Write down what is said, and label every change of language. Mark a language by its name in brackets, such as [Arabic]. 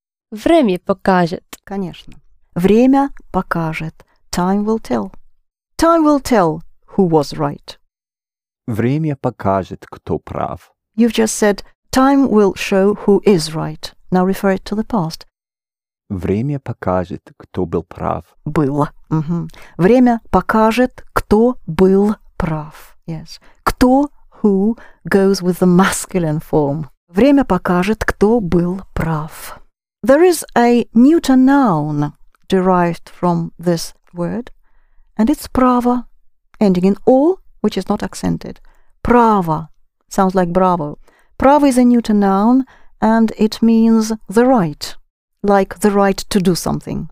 [Russian] Время покажет. Конечно. Время покажет. [English] Time will tell. Time will tell who was right. [Russian] Время покажет, кто прав. [English] You've just said time will show who is right. Now refer it to the past. [Russian] Время покажет, кто был прав. Был. Mm-hmm. Время покажет, кто был прав. [English] Yes. Кто, who, goes with the masculine form. [Russian] Время покажет, кто был прав. [English] There is a neuter noun derived from this word, and it's право, ending in о, which is not accented. Право. Sounds like bravo. Право is a neuter noun, and it means the right, like the right to do something.